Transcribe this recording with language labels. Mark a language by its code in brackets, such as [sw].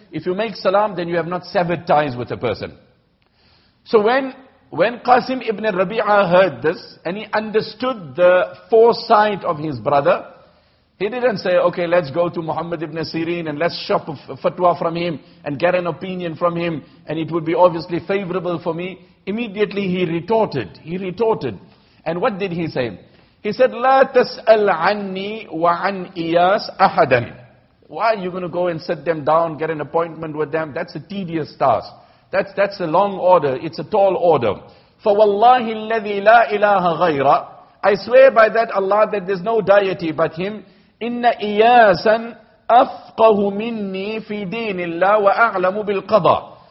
[en] If you make salam, then you have not severed ties with a person. So when Qasim ibn Rabi'ah heard this, and he understood the foresight of his brother, he didn't say, okay, let's go to Muhammad ibn Sirin and let's shop a fatwa from him and get an opinion from him and it would be obviously favorable for me. Immediately he retorted. And what did he say? He said, [ar] لا تسأل عني وعن إياس أحدا. [en] Why are you going to go and sit them down, get an appointment with them? That's a tedious task. That's a long order. It's a tall order. [ar] فَوَاللَّهِ الَّذِي لَا إِلَهَ غَيْرًا. [en] I swear by that Allah that there's no deity but him. [ar] إِنَّ إِيَاسًا أَفْقَهُ مِنِّي فِي دِينِ اللَّهِ وَأَعْلَمُ بِالْقَضَى.